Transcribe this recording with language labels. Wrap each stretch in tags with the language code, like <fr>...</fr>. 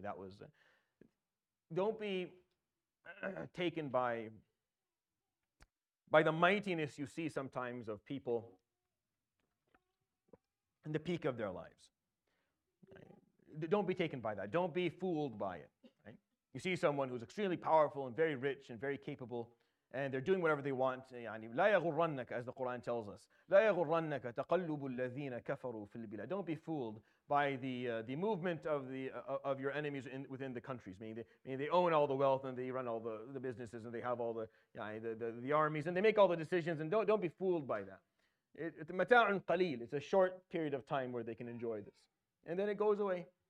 <en>That was, don't be taken by the mightiness you see sometimes of people in the peak of their lives. Don't be taken by that. Don't be fooled by it. Right? You see someone who's extremely powerful and very rich and very capable, and they're doing whatever they want.</en> <ar>لا يغرنك,</ar> <en>as the Quran tells us.</en> <ar>لا يغرنك تقلب الذين كفروا في البلاد.</ar> <en>Don't be fooled by the movement of the your enemies within the countries. Meaning they own all the wealth and they run all the businesses and they have all the armies and they make all the decisions. And don't be fooled by that.</en> <ar>مَتَاعٌ قَلِيلٌ.</ar> <en>It's a short period of time where they can enjoy this. And then it goes away.</en>